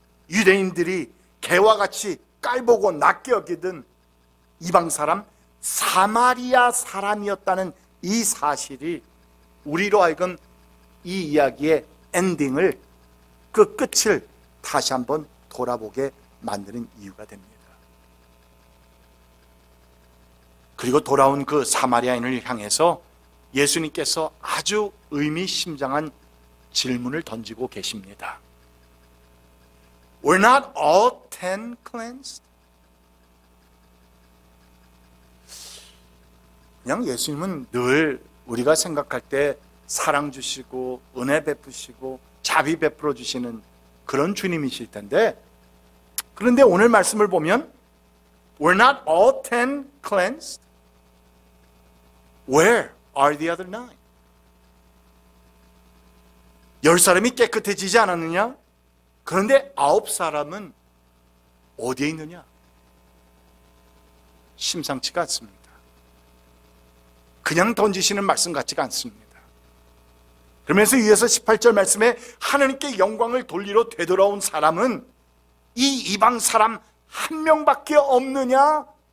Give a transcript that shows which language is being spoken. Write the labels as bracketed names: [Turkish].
[Korean] 유대인들이 개와 같이 깔보고 낚여기든 이방 사람 사마리아 사람이었다는 이 사실이 우리로 하여금 이 이야기의 엔딩을 그 끝을 다시 한번 돌아보게 만드는 이유가 됩니다. 그리고 돌아온 그 사마리아인을 향해서 예수님께서 아주 의미심장한 질문을 던지고 계십니다. [English] Were not all ten cleansed? [Korean] 그냥 예수님은 늘 우리가 생각할 때 사랑 주시고 은혜 베푸시고 자비 베풀어 주시는 그런 주님이실 텐데, 그런데 오늘 말씀을 보면 [English] Were not all ten cleansed? Where are the other nine? [Korean] 열 사람이 깨끗해지지 않았느냐? 그런데 아홉 사람은 어디에 있느냐? 심상치가 않습니다. 그냥 던지시는 말씀 같지가 않습니다. 그러면서 위에서 18절 말씀에 하느님께 영광을 돌리러 되돌아온 사람은 이 이방 사람 한 명밖에 없느냐?